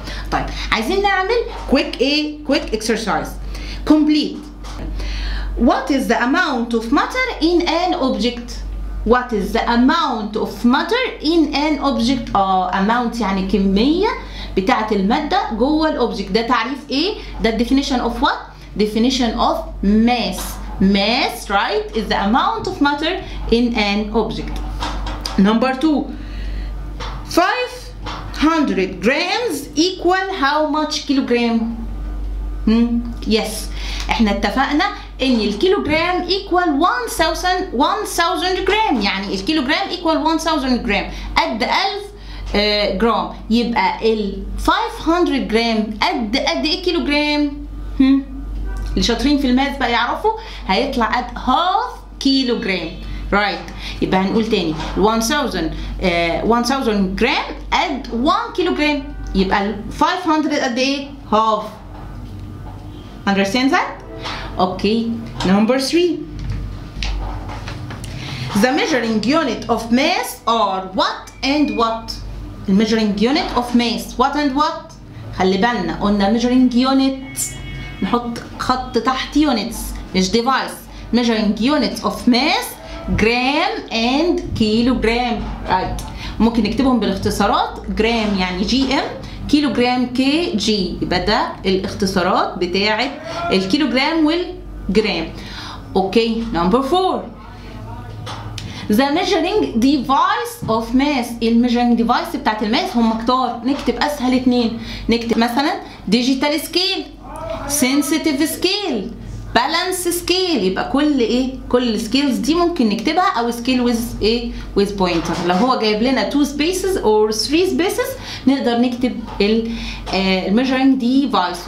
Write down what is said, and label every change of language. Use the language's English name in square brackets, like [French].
[Arabic] طيب عايزين نعمل كويك ايه؟ [English] Quick exercise complete. What is the amount of matter in an object? What is the amount of matter in an object? [Arabic] Amount يعني كمية بتاعة المادة جوه الأوبجكت. ده تعريف إيه؟ [English] The definition of what? Definition of mass. Mass, right? Is the amount of matter in an object. Number two. 500 grams equal how much kilogram? Yes. [Arabic] إحنا اتفقنا ان الكيلوغرام equal 1000 جرام. يعني الكيلوغرام equal 1000 جرام قد 1000 جرام. يبقى ال 500 جرام قد ايه كيلوغرام؟ اللي شاطرين في الماث بقى يعرفوا هيطلع قد 0.5 كيلوغرام. [English] right. [Arabic] يبقى هنقول تاني 1000 جرام قد 1 كيلوغرام. يبقى ال 500 قد ايه؟ 0.5. understand that? [English] Okay, number three. The measuring unit of mass are what and what? The measuring unit of mass, what and what? [Arabic] خلي بالنا قلنا measuring unit نحط خط تحت units مش device. [English] Measuring units of mass gram and kilogram. Right. [Arabic] ممكن نكتبهم بالاختصارات gram يعني gm كيلوغرام كي جي. يبقى ده الاختصارات بتاعة الكيلوغرام والجرام. [English] Okay number 4. The measuring device of mass. [Arabic] الميجرنج ديفايس بتاعة الماس هم كتار. نكتب اسهل اتنين. نكتب مثلا ديجيتال سكيل، سنسيتيف سكيل، بالانس سكيل. يبقى كل ايه؟ كل سكيلز دي ممكن نكتبها او سكيل ويز ايه؟ [English] With pointer. [Arabic] لو هو جايب لنا [English] 2 spaces or 3 spaces [Arabic] نقدر نكتب الميجرنج ديفايس.